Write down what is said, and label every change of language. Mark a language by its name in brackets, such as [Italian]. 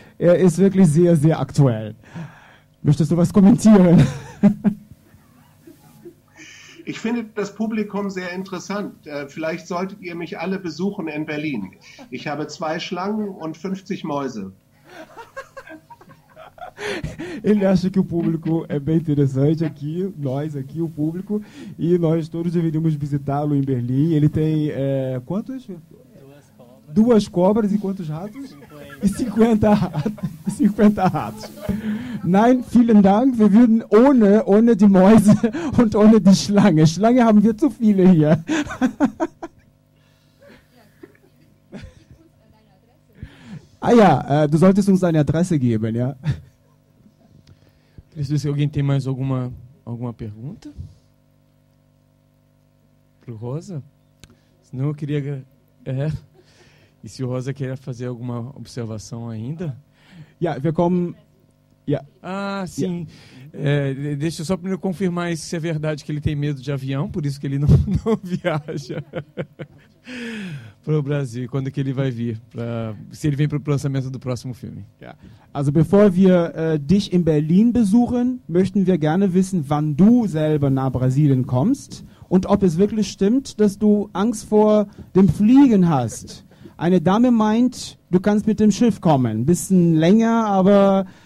[German] Er ist wirklich sehr, sehr aktuell. Möchtest du was kommentieren? Ich finde das Publikum sehr interessant. Vielleicht solltet ihr mich alle besuchen in Berlin. Ich habe 2 Schlangen und 50 Mäuse. [Portuguese] Ele acha que o público é bem interessante aqui, nós aqui, o público, e nós todos deveríamos visitá-lo em Berlim. Ele tem quantos? 2 cobras. 2 cobras e quantos ratos? 50. E 50 ratos. [German] Nein, vielen Dank. Wir würden ohne die Mäuse und ohne die Schlange. Schlange haben wir zu viele hier. Ah ja, du solltest uns deine Adresse geben, ja. [Portuguese] Queria saber se alguém tem mais alguma pergunta? Pro Rosa? Senão eu queria... E se o Rosa queria fazer alguma observação ainda? [German] Ja, wir kommen... Yeah. [Portuguese] Ah, sim. Yeah. Deixa eu só primeiro confirmar isso, se é verdade que ele tem medo de avião, por isso que ele não viaja para o Brasil. Quando que ele vai vir? Se ele vem para o lançamento do próximo filme. [English] Yeah. [German] Also, bevor wir dich in Berlin besuchen, möchten wir gerne wissen, wann du selber nach Brasilien kommst und ob es wirklich stimmt, dass du Angst vor dem Fliegen hast. Eine Dame meint, du kannst mit dem Schiff kommen. Bisschen länger, aber...